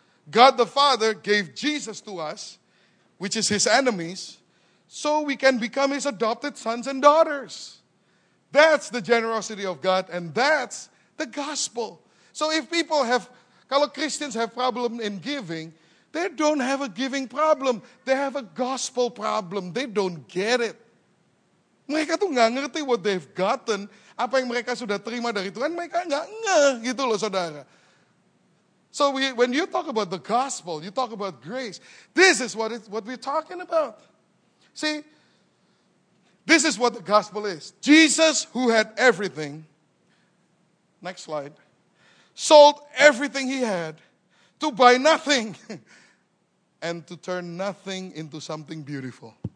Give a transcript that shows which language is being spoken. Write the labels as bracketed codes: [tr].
[en] God the Father gave Jesus to us, which is his enemies, so we can become his adopted sons and daughters. That's the generosity of God, and that's the gospel. So if people have, kalau Christians have problem in giving, they don't have a giving problem. They have a gospel problem. They don't get it. [id] Mereka tuh gak ngerti [en] what they've gotten. [id] Apa yang mereka sudah terima dari Tuhan, mereka gak ngeh gitu loh, saudara. [en] So when you talk about the gospel, you talk about grace, this is what we're talking about. See, this is what the gospel is. Jesus, who had everything, next slide, sold everything he had, to buy nothing and to turn nothing into something beautiful.